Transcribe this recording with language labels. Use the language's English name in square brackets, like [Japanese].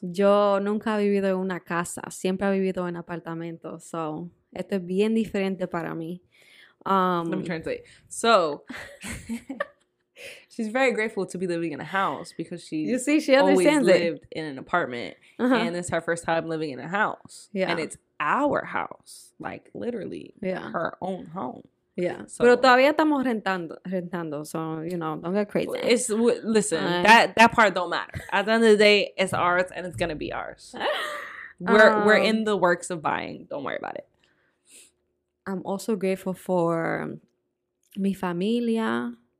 [Spanish] Yo nunca he vivido en una casa. Siempre he vivido en apartamento. So, esto es bien diferente para mí. [English] Let me translate. So... She's very grateful to be living in a house because she understands always lived it. In an apartment. Uh-huh. And it's her first time living in a house. Yeah. And it's our house. Like, literally. Yeah. Her own home. Yeah. [Spanish] So, pero todavía estamos rentando. [English] So, you know, don't get crazy. It's Listen, that part don't matter. At the end of the day, it's ours and it's going to be ours. We're in the works of buying. Don't worry about it. I'm also grateful for [Spanish] mi familia.